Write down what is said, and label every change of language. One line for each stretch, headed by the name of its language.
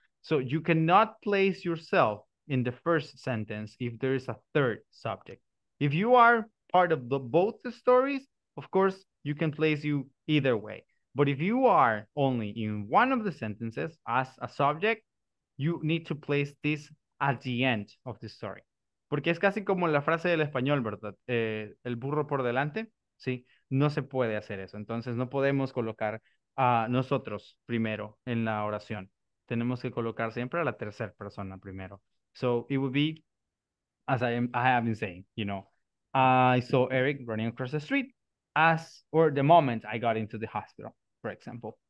English: So you cannot place yourself in the first sentence if there is a third subject. If you are part of both the stories, of course, you can place you either way. But if you are only in one of the sentences as a subject, you need to place this at the end of the story.
Spanish: Porque es casi como la frase del español, ¿verdad? El burro por delante, ¿sí? No se puede hacer eso. Entonces, no podemos colocar a nosotros primero en la oración. Tenemos que colocar siempre a la tercera persona primero.
English: So, it would be, as I have been saying, you know, I saw Eric running across the street as, or the moment I got into the hospital, for example.